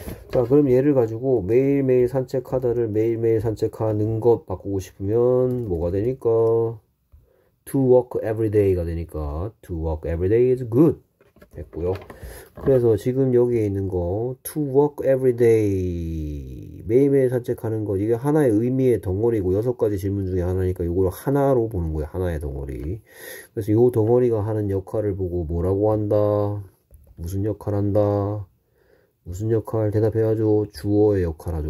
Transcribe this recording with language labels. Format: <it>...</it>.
<ko>자, 그럼 얘를 가지고 매일매일 산책하다를 매일매일 산책하는 것 바꾸고 싶으면 뭐가 되니까?</ko> <en>To walk every day가</en> <ko>되니까</ko> <en>To walk every day is good</en> <ko>했고요. 그래서 지금 여기에 있는 거</ko> <en>To walk every day</en> <ko>매일매일 산책하는 거 이게 하나의 의미의 덩어리고 여섯 가지 질문 중에 하나니까 이걸 하나로 보는 거예요. 하나의 덩어리. 그래서 요 덩어리가 하는 역할을 보고 뭐라고 한다? 무슨 역할 한다? 무슨 역할 대답해야죠. 주어의 역할 하죠.</ko>